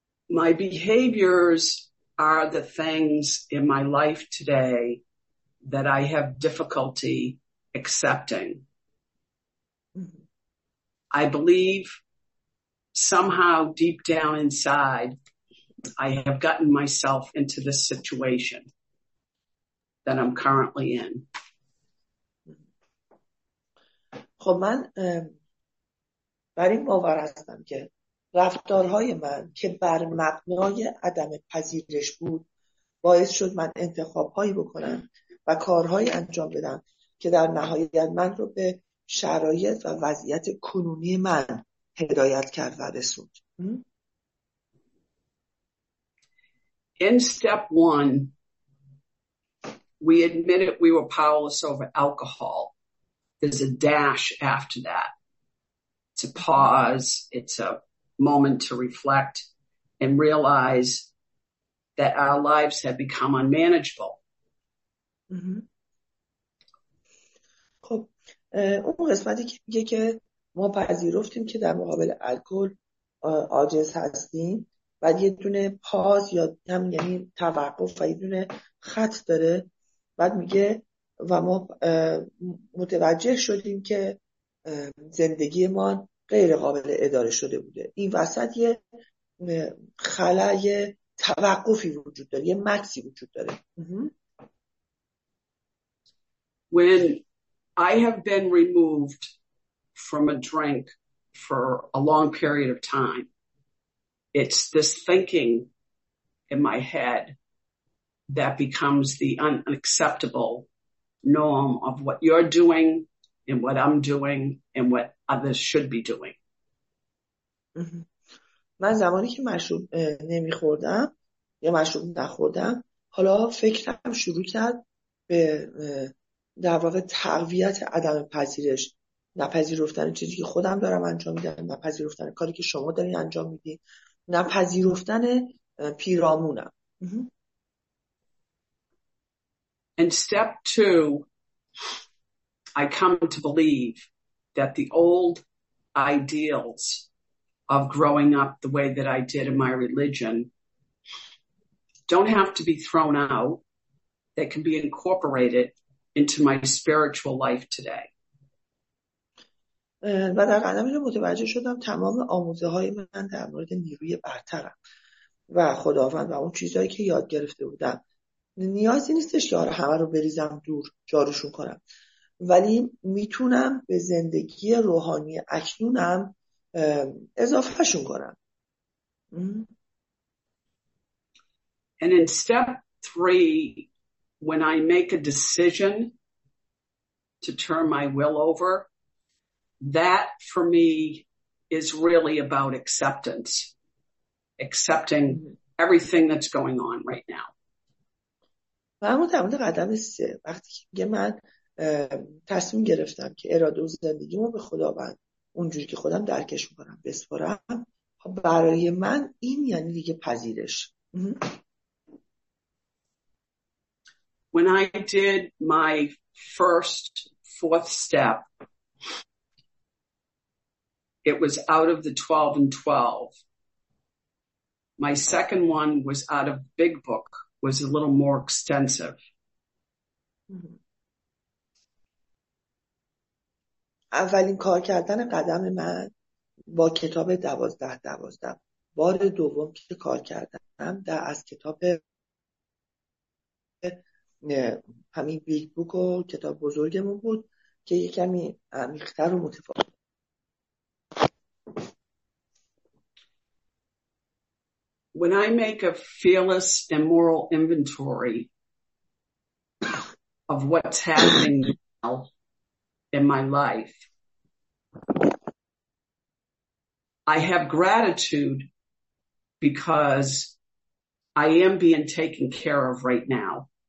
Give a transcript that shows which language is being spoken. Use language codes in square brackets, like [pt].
[en] My behaviors are the things in my life today that I have difficulty accepting. I believe somehow deep down inside I have gotten myself into the situation that I'm currently in. [fa] خب من بر این باور هستم که رفتارهای من که بر مبنای عدم پذیرش بود باعث شد من انتخابهایی بکنم و کارهایی انجام بدم که در نهایت من رو به شرایط و وضعیت کنونی من هدایت کرد و رسوند. [en] In step one, we admitted we were powerless over alcohol. There's a dash after that. It's a pause. It's a moment to reflect and realize that our lives have become unmanageable. [fa] خب اون قسمتی که میگه که ما پذیرفتیم که در مقابل الکل عاجز هستیم، بعد یه دونه پاز یا هم یعنی توقف و یه دونه خط داره، بعد میگه و ما متوجه شدیم که زندگی ما غیر قابل اداره شده بوده. این وسط یه خلای توقفی وجود داره، یه مکسی وجود داره. [en] When I have been removed from a drink for a long period of time, it's this thinking in my head that becomes the unacceptable norm of what you're doing and what I'm doing and what others should be doing. [fa] من زمانی که مشروب نمیخوردم یا مشروب نخوردم، حالا فکرم شروع کرد به در واقع تقویت عدم پذیرش نپذیرفتن چیزی که خودم دارم انجام میدم، نپذیرفتن کاری که شما دارین انجام میدین، نپذیرفتن پیرامونم. [en] And step two, I come to believe that the old ideals of growing up the way that I did in my religion don't have to be thrown out. They can be incorporated into my spiritual life today. [fa] و در قدمی رو متوجه شدم تمام آموزه های من در مورد نیروی برترم و خداوند و اون چیزهایی که یاد گرفته بودم نیازی نیستش که همه رو بریزم دور جاروشون کنم، ولی میتونم به زندگی روحانی اکنونم اضافهشون کنم. [en] And in step three, when I make a decision to turn my will over, that for me is really about acceptance, accepting everything that's going on right now. [fa] و اما در مورد قدم سه، وقتی که من تصمیم گرفتم که اراده و زندگیمو به خداوند اونجوری که خودم درکش میکنم بسپارم، برای من این یعنی دیگه پذیرش. [en] When I did my first fourth step, it was out of the 12 and 12. My second one was out of Big Book, was a little more extensive. [fa] اولین کار کردن قدم من با کتاب 12-12. بار دوم که کار کردم در از کتاب همین بیگ بوک و کتاب بزرگمون بود که یک کمی عمیق‌تر و متفاوت. [en] When I make a fearless and moral inventory of what's happening now in my life, I have gratitude because I am being taken care of right now.